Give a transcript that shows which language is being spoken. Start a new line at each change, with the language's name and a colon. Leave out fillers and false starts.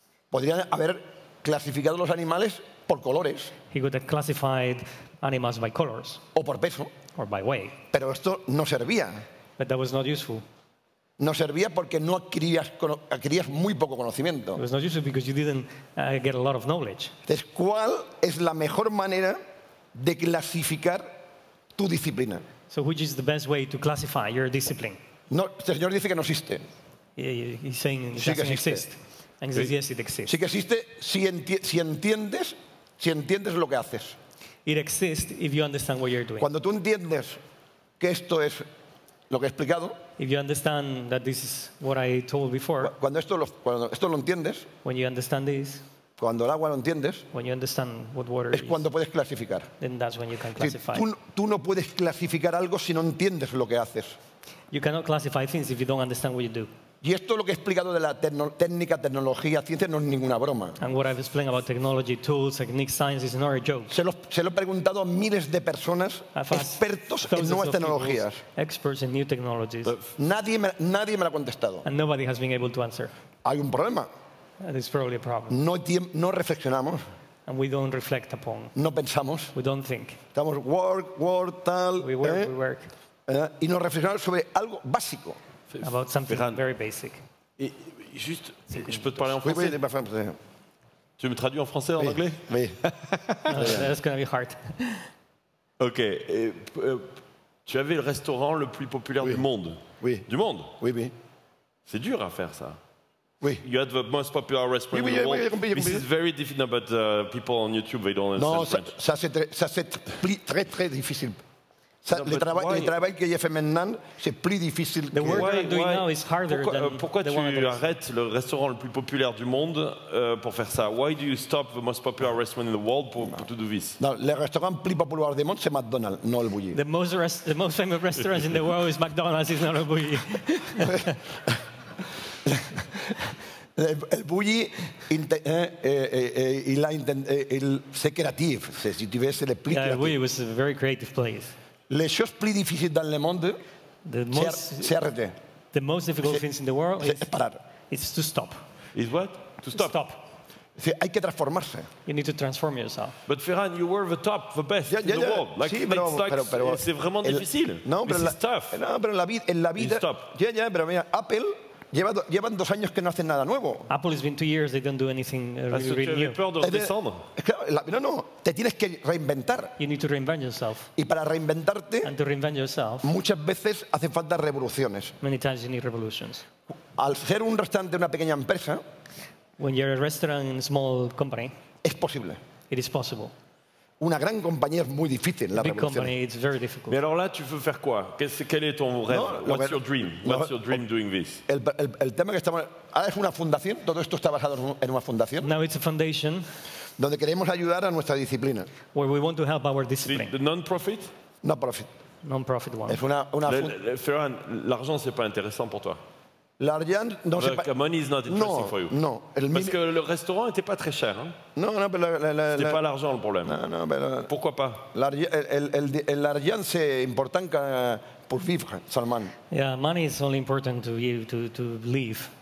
Spanish: Podrían haber clasificado los animales por colores.
English: He could have classified animals by colors.
Spanish: O por peso.
English: Or by weight.
Spanish: Pero esto no servía.
English: But that was not useful.
Spanish: No servía porque no adquirías muy poco conocimiento.
English: It was not useful because you didn't get a lot of knowledge.
Spanish: Entonces, ¿cuál es la mejor manera de clasificar tu disciplina?
English: So which is the best way to classify your discipline?
Spanish: No, el señor dice que no existe.
English: He's saying it
Spanish: sí
English: doesn't exist. And he says, yes, it exists.
Spanish: Sí que existe si entiendes lo que haces.
English: It exists if you understand what you're doing.
Spanish: Cuando tú entiendes que esto es lo que he explicado.
English: If you understand that this is what I told before.
Spanish: Cuando esto lo entiendes.
English: When you understand this.
Spanish: Cuando el agua lo entiendes.
English: When you understand what water
Spanish: es cuando puedes clasificar.
English: Then that's when you can classify.
Spanish: Tú no puedes clasificar algo si no entiendes lo que haces.
English: You cannot classify things if you don't understand what you do.
Spanish: Y esto lo que he explicado de la técnica, tecnología, ciencia no es ninguna broma.
English: And what I've explained about technology, tools, technique, science is not a joke.
Spanish: Se lo he preguntado a miles de personas, expertos en nuevas tecnologías.
English: Experts in new technologies.
Spanish: Nadie me lo ha contestado.
English: And nobody has been able to answer.
Spanish: Hay un problema.
English: There's probably a problem.
Spanish: No reflexionamos.
English: And we don't reflect upon.
Spanish: No pensamos.
English: We don't think.
Spanish: Estamos
English: work,
Spanish: tal.
English: We work, we work.
Spanish: Y no reflexionamos sobre algo básico.
English: About something Ferran, very basic.
French: Juste, je peux te parler en français? Oui, oui, c'est ma femme. Tu me traduis en français, en oui, anglais? Oui.
English: No, that's going to be hard.
French: OK. Et, tu avais le restaurant le plus populaire oui. du monde. Oui. Du monde? Oui, oui. C'est dur à faire, ça. Oui.
English: You had the most popular restaurant in the world. This is very difficult, but people on YouTube, they don't understand French.
French: Non, ça c'est très très difficile. Le travail que j'ai fait maintenant, c'est plus difficile.
English: The work I'm doing now is harder than
French: pourquoi tu arrêtes le restaurant le plus populaire du monde pour faire ça?
English: Why do you stop the most popular restaurant in the world
French: pour
English: to do this?
French: Non, le restaurant plus populaire du monde, c'est McDonald's, non Le Bouilli.
English: The most famous restaurant in the world is McDonald's, it's not Le Bouilli.
French: El Bouilli, il c'est créatif. Si tu veux, c'est le plus créatif.
English: Le Bouilli was a very creative place.
French: Les choses plus difficiles dans le monde, c'est arrêter.
English: The most difficult things in the world is to stop. Is what? To stop. Stop.
Spanish: Hay que transformarse.
English: You need to transform yourself. But Ferran, you were the top, the best in the world. Like,
Spanish: sí, pero,
English: it sucks.
Spanish: Pero,
French: c'est vraiment difficile. Non,
English: this is tough.
Spanish: No, pero en la vida.
English: Stop. Yeah,
Spanish: pero mira, Apple. Llevan dos años que no hacen nada nuevo.
English: Apple has been 2 years, they don't do anything really new.
French: Peur de redescendre.
Spanish: No, te tienes que reinventar.
English: You need to reinvent yourself.
Spanish: Y para reinventarte,
English: and to reinvent yourself,
Spanish: muchas veces hacen falta revoluciones.
English: Many times you need revolutions.
Spanish: Al ser un restaurante de una pequeña empresa,
English: when you're a restaurant in a small company,
Spanish: es posible.
English: It is possible.
Spanish: Una gran compañía es muy difícil, la
English: big company, it's very difficult.
French: Mais alors là, tu veux faire quoi? Quel est ton rêve?
Spanish: No,
English: what's your dream? What's your dream doing this?
Spanish: El tema que estamos ahora es una fundación. Todo esto está basado en una fundación.
English: Now it's a foundation.
Spanish: Donde queremos ayudar a nuestra disciplina.
English: Where we want to help our discipline. The non-profit? Non-profit. Non-profit one.
Spanish: Es una
French: Ferran, l'argent c'est pas intéressant pour toi. L'argent, non, c'est pas...
English: Money is not interesting for you.
French: Non. Parce que le restaurant n'était pas très cher. Hein? Non, mais c'était pas l'argent le problème. Non, mais pourquoi pas? L'argent, c'est important pour vivre seulement.
English: Yeah, money is only important to you to live.